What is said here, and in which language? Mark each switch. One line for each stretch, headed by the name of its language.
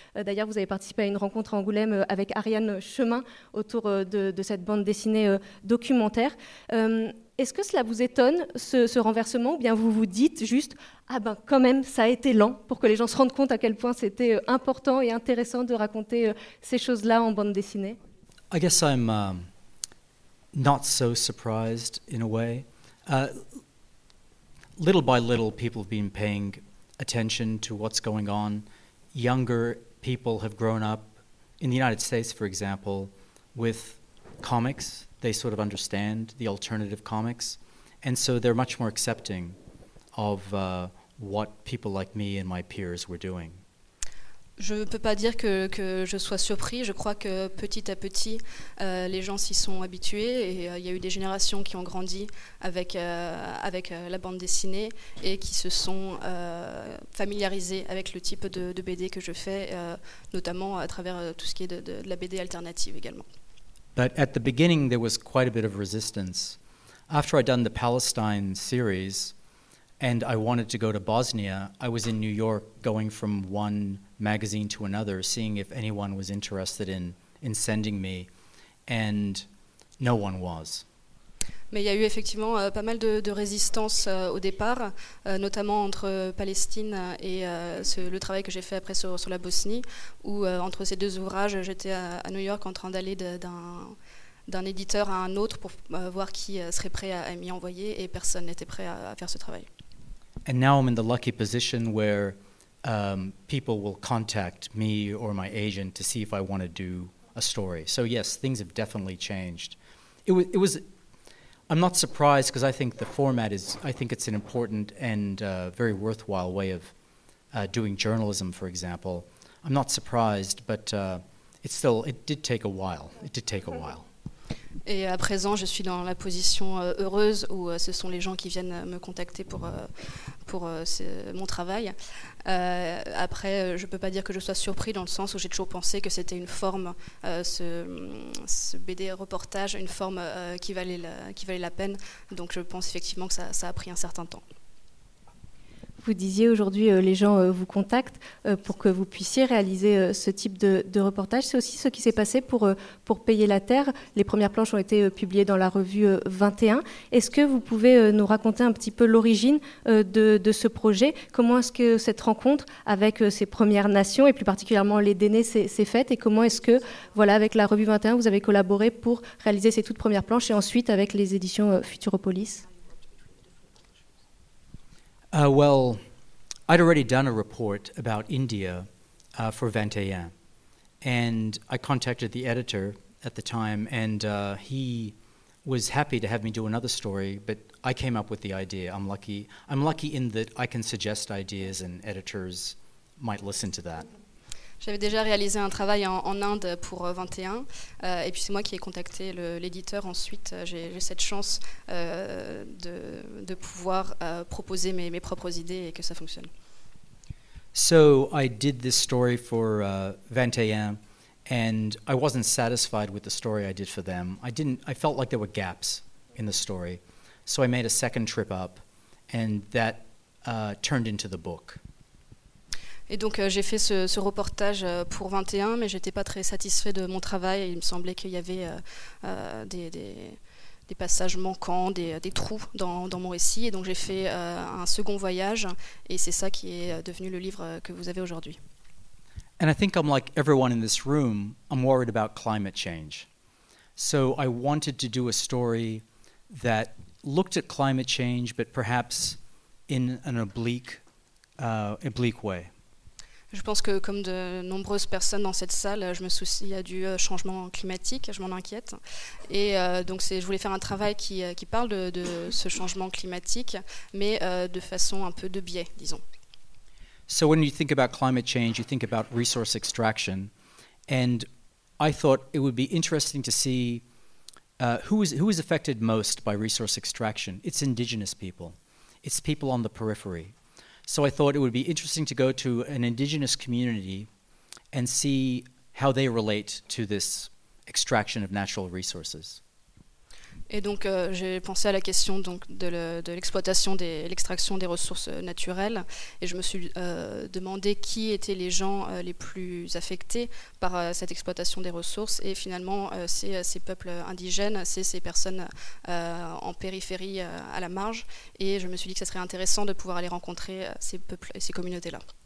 French: D'ailleurs, vous avez participé à une rencontre à Angoulême avec Ariane Chemin autour de cette bande dessinée documentaire. Est-ce que cela vous étonne, ce renversement, ou bien vous vous dites juste « Ah ben, quand même, ça a été lent » pour que les gens se rendent compte à quel point c'était important et intéressant de raconter ces choses-là en bande dessinée ?
English: I guess I'm not so surprised in a way. Little by little, people have been paying attention to what's going on. Younger people have grown up, in the United States, for example, with comics. They sort of understand the alternative comics. And so they're much more accepting of what people like me and my peers were doing.
French: Je ne peux pas dire que je sois surpris. Je crois que petit à petit, les gens s'y sont habitués. Et il y a eu des générations qui ont grandi avec la bande dessinée et qui se sont familiarisées avec le type de BD que je fais, notamment à travers tout ce qui est de la BD alternative également.
English: But at the beginning, there was quite a bit of resistance. After I'd done the Palestine series and I wanted to go to Bosnia, I was in New York going from one magazine to another, seeing if anyone was interested in sending me, and no one was.
French: Mais il y a eu effectivement pas mal de résistance au départ, notamment entre Palestine et le travail que j'ai fait après sur la Bosnie, où entre ces deux ouvrages, j'étais à New York en train d'aller d'un éditeur à un autre pour voir qui serait prêt à m'y envoyer, et personne n'était prêt à faire ce travail.
English: And now I'm in the lucky position where people will contact me or my agent to see if I want to do a story. So yes, things have definitely changed. It was. I'm not surprised because I think the format is. I think it's an important and very worthwhile way of doing journalism. For example, I'm not surprised, but it did take a while. It did take a while.
French: Et à présent, je suis dans la position heureuse où ce sont les gens qui viennent me contacter pour mon travail. Après, je ne peux pas dire que je sois surpris dans le sens où j'ai toujours pensé que c'était une forme, ce BD reportage, une forme qui valait la peine. Donc je pense effectivement que ça a pris un certain temps. Vous disiez aujourd'hui, les gens vous contactent pour que vous puissiez réaliser ce type de reportage. C'est aussi ce qui s'est passé pour Payer la Terre. Les premières planches ont été publiées dans la revue 21. Est-ce que vous pouvez nous raconter un petit peu l'origine de ce projet? Comment est-ce que cette rencontre avec ces Premières Nations, et plus particulièrement les Dénés, s'est faite? Et comment est-ce que, voilà, avec la revue 21, vous avez collaboré pour réaliser ces toutes premières planches et ensuite avec les éditions Futuropolis?
English: Well, I'd already done a report about India for 21, and I contacted the editor at the time, and he was happy to have me do another story, but I came up with the idea. I'm lucky in that I can suggest ideas and editors might listen to that.
French: J'avais déjà réalisé un travail en Inde pour 21, et puis c'est moi qui ai contacté l'éditeur ensuite. J'ai cette chance de pouvoir proposer mes propres idées et que ça fonctionne.
English: So I did this story for 21, and I wasn't satisfied with the story I did for them. I felt like there were gaps in the story, so I made a second trip up, and that turned into the book.
French: Et donc j'ai fait ce reportage pour 21, mais j'étais pas très satisfait de mon travail. Il me semblait qu'il y avait des passages manquants, des trous dans mon récit. Et donc j'ai fait un second voyage, et c'est ça qui est devenu le livre que vous avez aujourd'hui.
English: And I think I'm like everyone in this room. I'm worried about climate change, so I wanted to do a story that looked at climate change, but perhaps in an oblique way.
French: Je pense que, comme de nombreuses personnes dans cette salle, je me soucie du changement climatique, je m'en inquiète. Et donc je voulais faire un travail qui parle de ce changement climatique, mais de façon un peu de biais, disons.
English: So when you think about climate change, you think about resource extraction. And I thought it would be interesting to see who is affected most by resource extraction. It's indigenous people. It's people on the periphery. So I thought it would be interesting to go to an indigenous community and see how they relate to this extraction of natural resources.
French: Et donc j'ai pensé à la question donc de l'exploitation l'extraction des ressources naturelles, et je me suis demandé qui étaient les gens les plus affectés par cette exploitation des ressources, et finalement c'est ces peuples indigènes, c'est ces personnes en périphérie, à la marge, et je me suis dit que ça serait intéressant de pouvoir aller rencontrer ces peuples et ces communautés-là.